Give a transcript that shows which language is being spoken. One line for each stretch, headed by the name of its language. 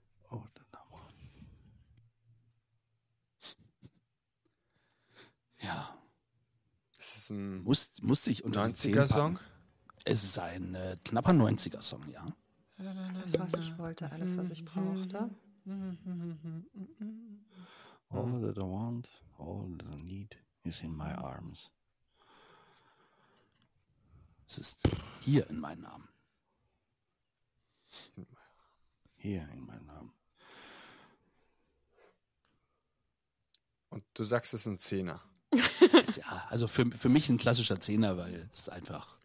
German: Oh, dann haben wir. Ja. Es ist ein musste ich unter 90er-Song? Es ist ein knapper 90er-Song, ja. Alles, was ich wollte, alles, was ich brauchte.
English: All that I want, all that I need is in my arms.
German: Es ist hier in meinen Armen. Hier in meinen Armen. Und du sagst, es ist ein Zehner. Ja, also für mich ein klassischer Zehner, weil es ist einfach.